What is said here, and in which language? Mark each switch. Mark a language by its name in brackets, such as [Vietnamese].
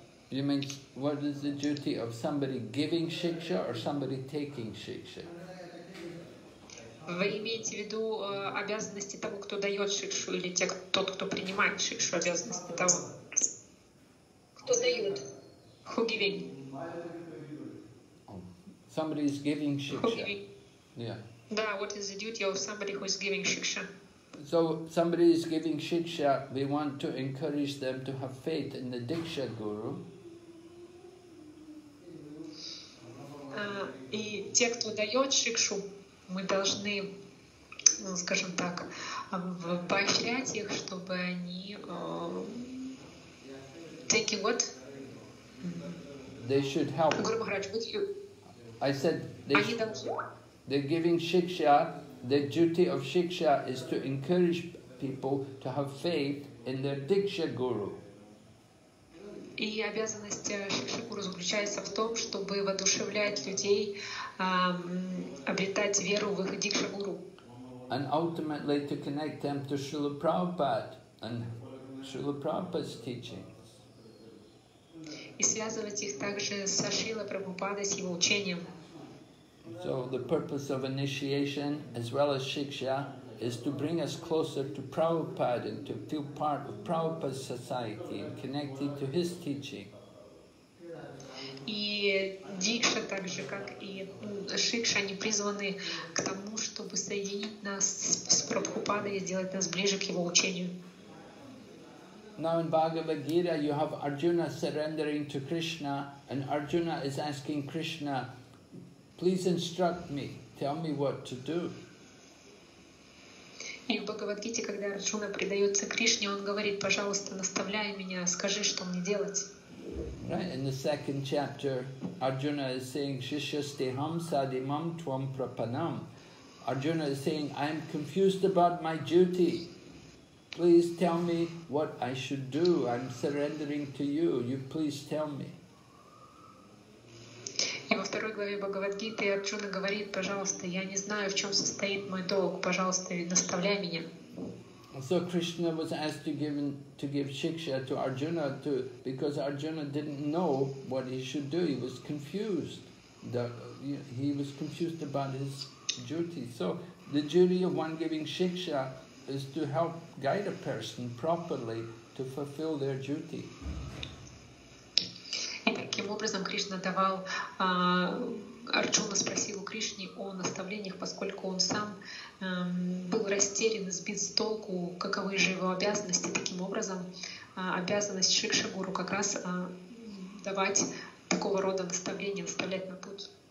[English] You mean, what is the duty of somebody giving Shiksha or somebody taking Shiksha? [Russian] Вы имеете в виду обязанности того, кто дает шикшу, или те, тот, кто принимает шикшу, обязанности того, кто дает? [English] Who giving? Somebody is giving shiksha. Yeah. [Russian] Да, [English] what is the duty of somebody who is giving shiksha? So somebody is giving shiksha, we want to encourage them to have faith in the Diksha Guru. [Russian] И те, кто дает шикшу, мы должны, ну, скажем так, поощрять их, чтобы они [English] taking what? They should help. Гуру Махарадж, would you? I said they should. They're giving shiksha. The duty of shiksha is to encourage people to have faith in their Diksha Guru. [Russian] И обязанность шикшигуру заключается в том, чтобы воодушевлять людей обретать веру в их дикшигуру. [English] And ultimately to connect them to Srila Prabhupada and Srila Prabhupada's teachings. [Russian] И связывать их также со Шрила Прабхупадой, с его учением. [English] So the purpose of initiation as well as shiksha is to bring us closer to Prabhupada and to feel part of Prabhupada's society and connected to his teaching. [Russian] И дикша так же, как и шикша, они призваны к тому, чтобы соединить нас с Прабхупадой и сделать нас ближе к его учению. [English] Now in Bhagavad Gita you have Arjuna surrendering to Krishna, and Arjuna is asking Krishna, please instruct me, tell me what to do. [Russian] И в Бхагавадгите, когда Арджуна предается Кришне, он говорит: пожалуйста, наставляй меня, скажи, что мне делать. [English] Right, in the second chapter, Arjuna is saying, Shishyastiham sadimam tvam prapanam. Arjuna is saying, I am confused about my duty. Please tell me what I should do. I'm surrendering to you. You please tell me. [Russian] И во второй главе Бхагавадгиты Арджуна говорит: пожалуйста, я не знаю, в чем состоит мой долг, пожалуйста, наставляй меня. [English] So Krishna was asked to give shiksha to Arjuna because Arjuna didn't know what he should do. He was confused. He was confused about his duty. So the duty of one giving shiksha is to help guide a person properly to fulfill their duty. [Russian] Таким образом Кришна давал, Арджуна спросил у Кришны о наставлениях, поскольку он сам был растерян, сбит с толку, каковы же его обязанности. Таким образом, обязанность Шикша Гуру как раз давать такого рода наставления, наставлять на путь.